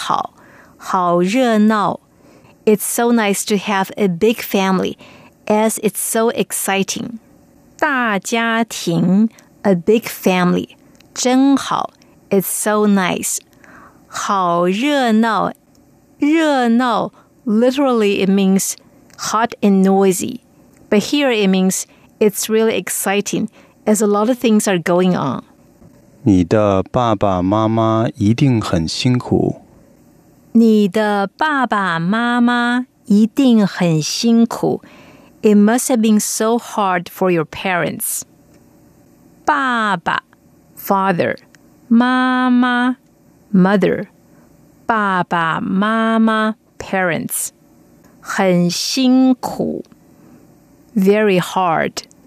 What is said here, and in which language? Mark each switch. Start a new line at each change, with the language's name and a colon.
Chinese: 你的爸爸妈妈一定很辛苦。大家庭真好，好热闹。
English: It's so nice to have a big family, as it's so exciting.
Chinese: 大家庭,
English: a big family.
Chinese: 真好,
English: it's so nice.
Chinese: 好热闹,
English: 热闹, literally it means hot and noisy. But here it means it's really exciting, as a lot of things are going on.
Chinese: 你的爸爸妈妈一定很辛苦。你的爸爸妈妈一定很辛苦。
English: It must have been so hard for your parents. 爸爸, father. 妈妈, mother. 爸爸妈妈, parents.
Chinese: 很辛苦,
English: very hard.